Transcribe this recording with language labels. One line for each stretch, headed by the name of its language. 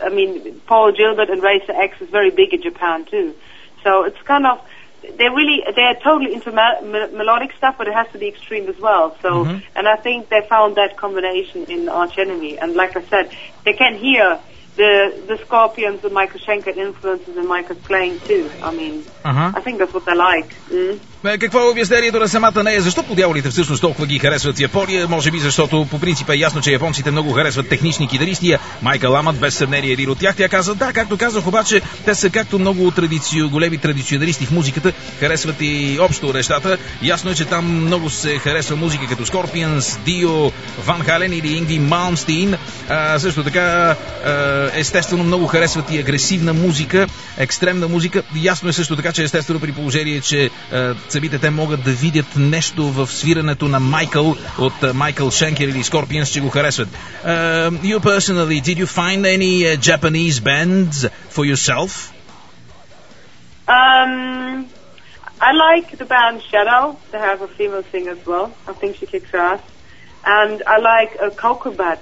English: I mean, Paul Gilbert and Razor X is very big in Japan too, so it's kind of, they're totally into melodic stuff, but it has to be extreme as well. So, mm-hmm. And I think they found that combination in Arch Enemy. And like I said, they can hear the Scorpions and Michael Schenker influences in Michael's playing too. I mean, uh-huh. I think that's what they like. Mm-hmm.
Bulgarian: Какво е обяснението на самата нея? Защо по дяволите всъщност толкова ги харесват Япония? Може би защото по принцип е ясно, че японците много харесват технични китаристи. Майкъл Амат, без съмнение, един от тях. Тя каза, да, както казах, обаче, те са както много големи традиционалисти в музиката, харесват и общо нещата. Ясно е, че там много се харесва музика като Scorpions, Dio, Ван Хален или Yngwie Malmsteen. Също така, естествено, много харесват и агресивна музика, екстремна музика. Ясно е също така, че естествено при положение, че самите те могат да видят нещо в свирането на Майкъл от Майкъл Шенкер или Скорпиенс, че го харесват.
English: You personally, did you find any Japanese bands for yourself? I like the band Shadow. They have a female singer as well. I think she kicks ass. And I like Kokobat.